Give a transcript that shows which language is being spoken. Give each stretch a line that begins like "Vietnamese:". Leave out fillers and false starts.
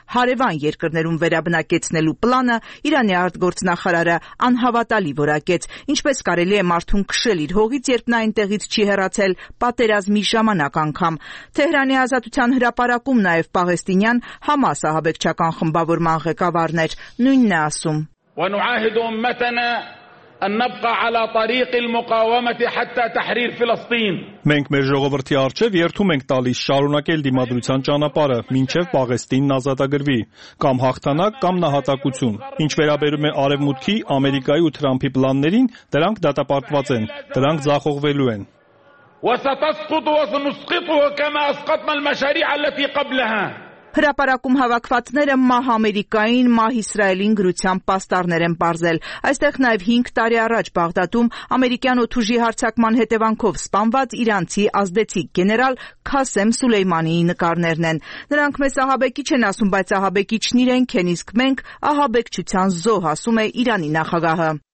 Armenian: հարևան երկրներում վերաբնակեցնելու պլանը Իրանի արտգործնախարարը անհավատալի որակեց, ինչպես կարելի է մարդուն քշել իր հողից, երբ նա այնտեղից չի հեռացել պատերազմի ժամանակ անգամ։ Թեհրանի ազատության հրապարակում նաև պաղեստինյան Համաս ահաբեկչական խմբավորման ղեկավար նույնն է ասում.
Arabic: ونعاهد امتنا ان نبقى على طريق المقاومه حتى تحرير فلسطين.
Armenian: Մենք մեր ժողովրդի արչև երթում ենք տալիս շարունակել դիմադրության ճանապարհը, մինչև Պաղեստինն ազատագրվի, կամ հաղթանակ, կամ նահատակություն։ Ինչ վերաբերում է արևմուտքի, Ամերիկայի ու Թրամփի պլաններին, դրանք դատապարտված են, դրանք զախողվելու են։
Arabic: وستسقط وسنسقطها كما اسقطنا المشاريع التي قبلها.
Armenian: Հրապարակում հավաքվածները մահ ամերիկային, մահ իսրայելին գրության պաստառներ են պարզել։ Այստեղ նաև 5 տարի առաջ Բաղդադում ամերիկյան օթուժի հարձակման հետևանքով սպանված իրանցի ազդեցի գեներալ Քասեմ Սուլեյմանիի նկարներն են։ Նրանք մեզ ահաբեկիչ են ասում, բայց ահաբեկիչն իրենք են, իսկ մենք ահաբեկչության զոհ, ասում է Իրանի նախագահը։